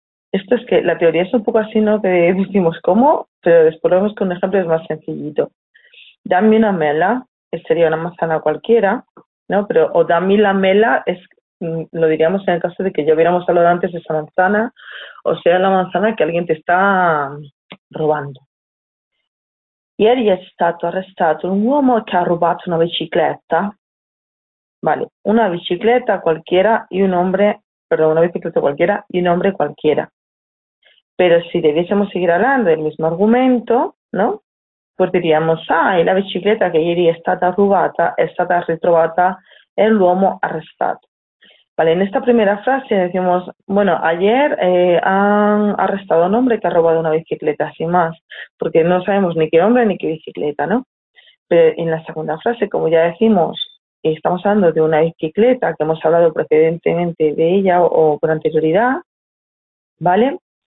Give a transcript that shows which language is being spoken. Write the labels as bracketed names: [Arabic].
[Spanish] Esto es que la teoría es un poco así, ¿no? Que decimos cómo, pero después vemos que un ejemplo es más sencillito. Dame una mela, que sería una manzana cualquiera, ¿no? Pero, o dame la mela, es, lo diríamos en el caso de que ya hubiéramos hablado antes de esa manzana, o sea, la manzana que alguien te está robando. [Italian] Ieri è stato arrestato un uomo che ha rubato una bicicletta. [Spanish] Vale, una bicicleta cualquiera y un hombre, perdón, una bicicleta cualquiera y un hombre cualquiera. Pero si debiésemos seguir hablando del mismo argumento, ¿no? Pues diríamos, y la bicicleta que [Italian] ieri è stata rubata è stata ritrovata en l'uomo arrestato. [Spanish] Vale, en esta primera frase decimos, bueno, ayer han arrestado a un hombre que ha robado una bicicleta, sin más, porque no sabemos ni qué hombre ni qué bicicleta, ¿no? Pero en la segunda frase, como ya decimos, estamos hablando de una bicicleta que hemos hablado precedentemente de ella o con anterioridad, ¿vale?